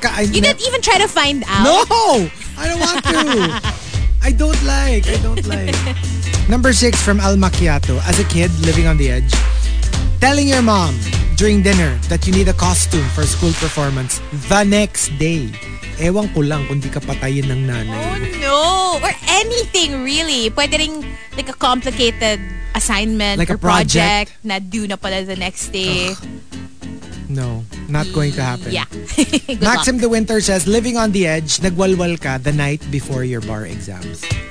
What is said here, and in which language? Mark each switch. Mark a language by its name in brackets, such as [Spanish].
[English] didn't even try to find out? No! I don't want to. I don't like. Number 6 from Al Macchiato. As a kid living on the edge, telling your mom during dinner that you need a costume for school performance the next day. [Filipino] Ewan ko lang kung di ka patayin ng nanay. [English] Oh no! Or anything really. [Filipino] Pwede rin [English] like a complicated assignment like or a project. Project na due na pala the next day. Ugh. No, not going to happen. Yeah. Maxim luck. The Winter says, living on the edge, [Filipino] nagwalwal ka [English] the night before your bar exams.